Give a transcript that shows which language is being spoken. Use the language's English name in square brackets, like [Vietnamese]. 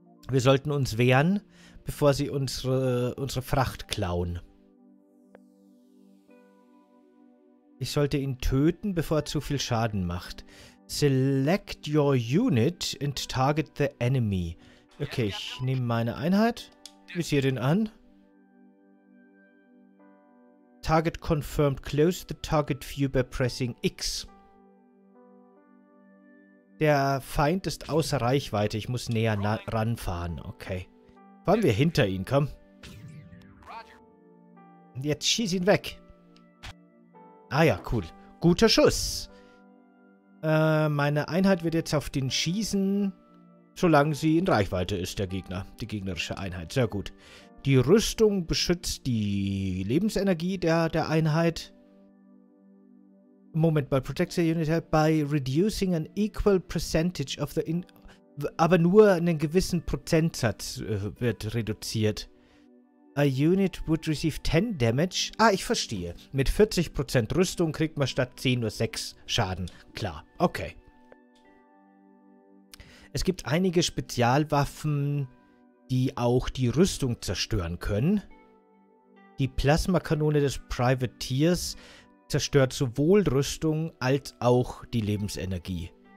[German] Wir sollten uns wehren, bevor sie unsere Fracht klauen. Ich sollte ihn töten, bevor er zu viel Schaden macht. [English] Select your unit and target the enemy. [German] Okay, ich nehme meine Einheit. Visier den an. [English] Target confirmed. Close the target view by pressing X. [German] Der Feind ist außer Reichweite. Ich muss näher ranfahren. Okay. Fahren wir hinter ihn, komm. Jetzt schieß ihn weg. Ah ja, cool. Guter Schuss. Meine Einheit wird jetzt auf den schießen, solange sie in Reichweite ist, der Gegner. Die gegnerische Einheit. Sehr gut. Die Rüstung beschützt die Lebensenergie der Einheit. [English] Moment, by protecting the unit, by reducing an equal percentage of the... [German] Aber nur einen gewissen Prozentsatz wird reduziert. [English] A unit would receive 10 damage. [German] Ah, ich verstehe. Mit 40% Rüstung kriegt man statt 10 nur 6 Schaden. Klar, okay. Es gibt einige Spezialwaffen, die auch die Rüstung zerstören können. Die Plasmakanone des Privateers zerstört sowohl Rüstung als auch die Lebensenergie.